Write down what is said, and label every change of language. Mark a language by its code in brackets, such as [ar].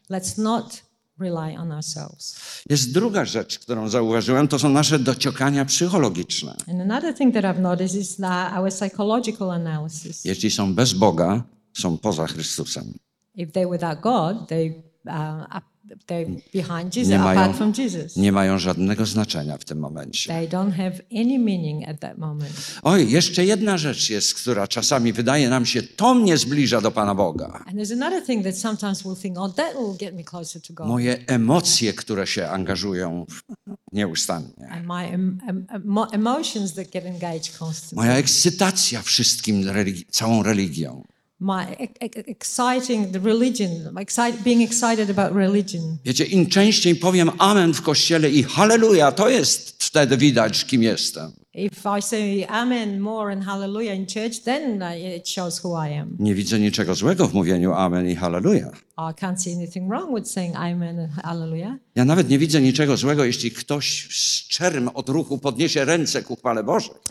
[en] Let's not rely on ourselves. [pl] Jest druga rzecz, którą zauważyłem, to są nasze dociekania psychologiczne. [en] And another thing that I've noticed is that our psychological analysis. [pl] Jeśli są bez Boga, są poza Chrystusem. [en] If they're without God, they are behind Jesus, apart from Jesus. [pl] Nie mają żadnego znaczenia w tym momencie. [en] They don't have any meaning at that moment. [pl] Oj, jeszcze jedna rzecz jest, która czasami wydaje nam się, to mnie zbliża do Pana Boga. [en] And there's another thing that sometimes we'll think, oh, that will get me closer to God. [pl] Moje emocje, które się angażują nieustannie. [en] And my emotions that get engaged constantly. [pl] Moja ekscytacja wszystkim, całą religią. [en] My exciting the religion, my being excited about religion. [pl] Wiecie, im częściej powiem amen w kościele i hallelujah, to jest wtedy widać, kim jestem. [en] If I say amen more and hallelujah in church, then it shows who I am. [pl] Nie widzę niczego złego w mówieniu amen i hallelujah. [en] I can't see anything wrong with saying amen and hallelujah. [pl] Ja nawet nie widzę niczego złego, jeśli ktoś z czerem od ruchu podniesie ręce ku chwale Bożej.